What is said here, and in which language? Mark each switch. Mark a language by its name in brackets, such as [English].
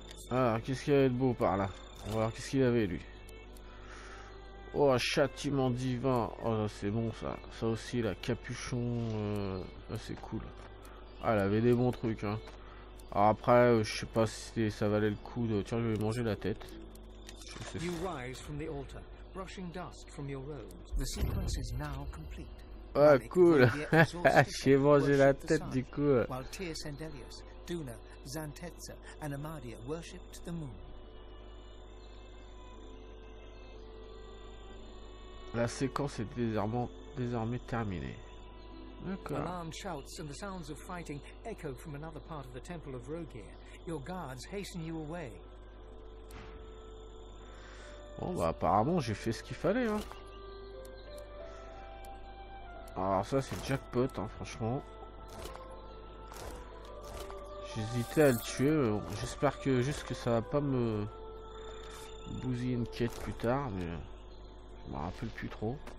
[French] Alors, qu'est-ce qu'il y avait de beau par là? On va voir qu'est-ce qu'il avait, lui. Oh, châtiment divin. Oh, c'est bon, ça. Ça aussi, la capuchon, c'est cool. Ah, elle avait des bons trucs, hein. Alors après, je sais pas si ça valait le coup de... Tiens, je vais manger la tête. [English] You rise from the altar, brushing dust from your robes. The sequence is now complete. [French] Ah, oh, cool. J'ai mangé la tête, du coup. [English] While Tyrs and Elios, Duna, Xanthetsa, and Amadia worshipped the moon. [French] La séquence est désormais terminée. D'accord. [English] Alarmed shouts and the sounds of fighting echo from another part of the temple of Rogier. Your guards hasten you away. [French] Bon bah apparemment j'ai fait ce qu'il fallait, hein. Alors ça c'est jackpot, hein, franchement. J'hésitais à le tuer, mais bon, j'espère que juste que ça va pas me bousiller une quête plus tard, mais. Je me rappelle plus trop.